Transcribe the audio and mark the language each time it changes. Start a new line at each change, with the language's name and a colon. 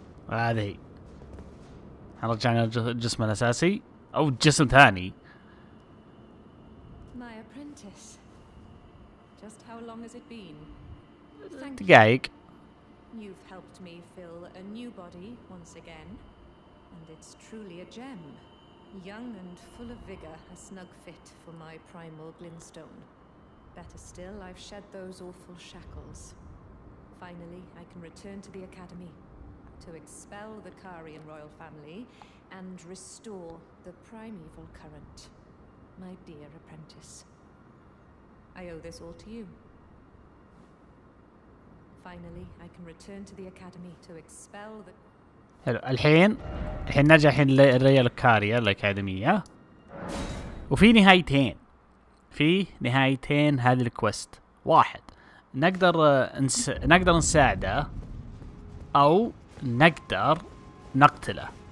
Arabic: هذه احنا رجعنا الجسم الاساسي او جسم ثاني.
English: My apprentice. Just how long has it been?
Arabic: دقائق.
English: You've helped me fill a new body once again, and it's truly a gem. Young and full of vigor, a snug fit for my primal glintstone. Better still, I've shed those awful shackles. Finally, I can return to the academy to expel the Carian royal family and restore the primeval current. My dear apprentice, I owe this all to you. Finally, I can return to the academy to expel the.
Arabic: حلو. الحين نرجع الحين لريا لوكاريا الأكاديمية. وفي نهايتين. في نهايتين هذه الكويست. واحد نقدر نقدر نساعده أو نقدر نقتله.